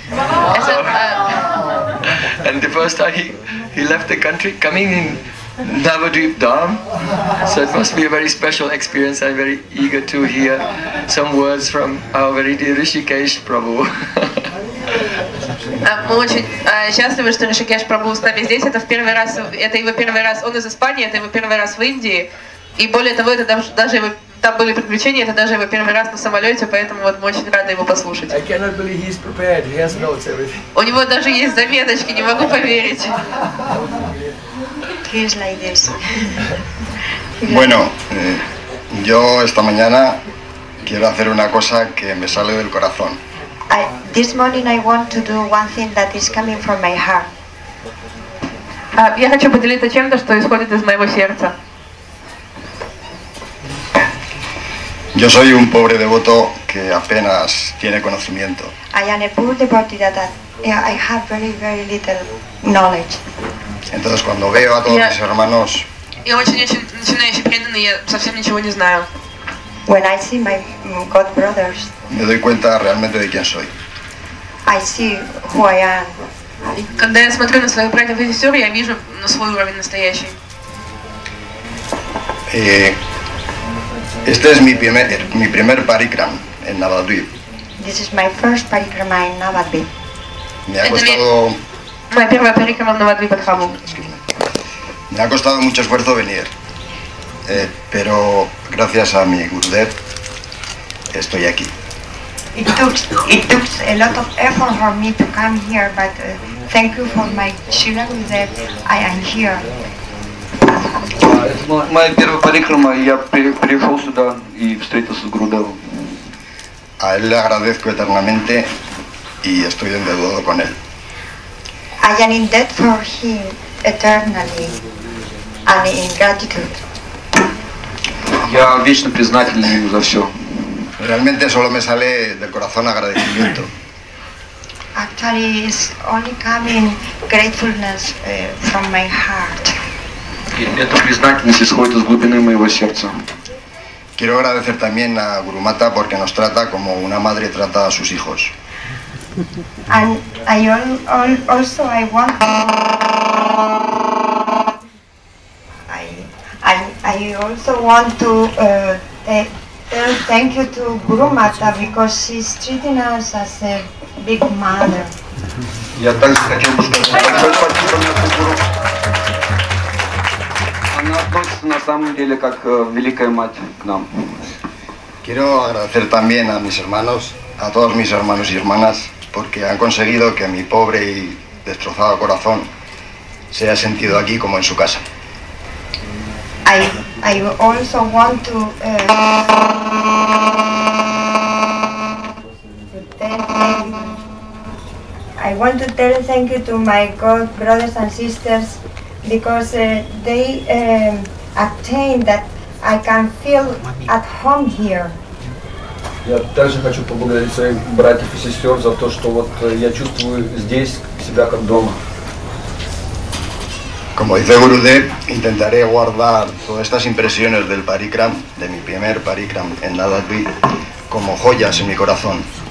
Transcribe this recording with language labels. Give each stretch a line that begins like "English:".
English: So, and the first time he left the country, coming in Navadvip Dham. So it must be a very special experience. I'm very eager to hear some words from our very dear Rishikesh Prabhu.
Russian: Мы очень счастливы, что Rishikesh Prabhu с нами здесь. Это в первый раз, это его первый раз. Он из Испании, это его первый раз в Индии. И более того, это даже его, там были приключения, это даже его первый раз на самолете, поэтому вот мы очень рады его послушать.
English: I cannot believe he's prepared. He has notes, everything.
Russian: У него даже есть заметочки, не могу поверить.
English: He's like this.
Spanish: Bueno, yo esta mañana quiero hacer una cosa que me sale del corazón.
English: This morning I want to do one thing that is coming from my heart.
Russian: Я хочу поделиться чем-то, что исходит из моего сердца.
Spanish: Yo soy un pobre devoto que apenas tiene conocimiento.
English: I am a poor devotee that I have very, very little knowledge.
Spanish: Entonces cuando veo a todos mis hermanos.
Russian: Я очень начинающий преданный, я совсем ничего не знаю.
English: When I see my God brothers.
Spanish: Me doy cuenta realmente de quién soy.
English: I see who I am.
Russian: Когда я смотрю на своих братьев и сестер, я вижу на свой уровень настоящий.
Spanish: Este es mi primer parikram en Navadvip.
English: This is my first parikrama in Navadvip.
Spanish: Me ha costado.
Russian: Моя первая парикрама в Навадвип Адхаму.
Spanish: Me ha costado mucho esfuerzo venir, pero gracias a mi Gurudev estoy aquí.
English: It took a lot of effort for me to come here, but thank you for my Shri Gurudev, I am here.
Russian: Моя первая парикрама, я пришел сюда и встретился с Гурудевом.
Spanish: A él le agradezco eternamente y estoy en deuda con él.
English: I am in debt for him eternally and in gratitude.
Russian: Я вечно признателен ему за все.
Spanish: Realmente solo me sale del corazón agradecimiento.
English: Actually, it's only coming gratefulness from my heart.
Russian: Эта признательность исходит из глубины моего сердца.
Spanish: Quiero agradecer también a Guru Mata porque нos trata como una madre trata a sus hijos.
English: And I also I want to... I also want to thank you to Guru Mata because she's treating us as a big mother.
Russian: Я также хочу сказать спасибо нашему Гуру. Она относится на самом деле как великая мать к нам.
Spanish: Quiero agradecer también a mis hermanos, a todos mis hermanos y hermanas, porque han conseguido que mi pobre y destrozado corazón se haya sentido aquí como en su casa.
English: I also want to thank you to my God brothers and sisters because they attained that I can feel at home here.
Russian: Я также хочу поблагодарить своих братьев и сестер за то, что вот я чувствую здесь себя как дома.
Spanish: Como dice Gurudev, intentaré guardar todas estas impresiones del parikram, de mi primer parikram en Navadvip, como joyas en mi corazón.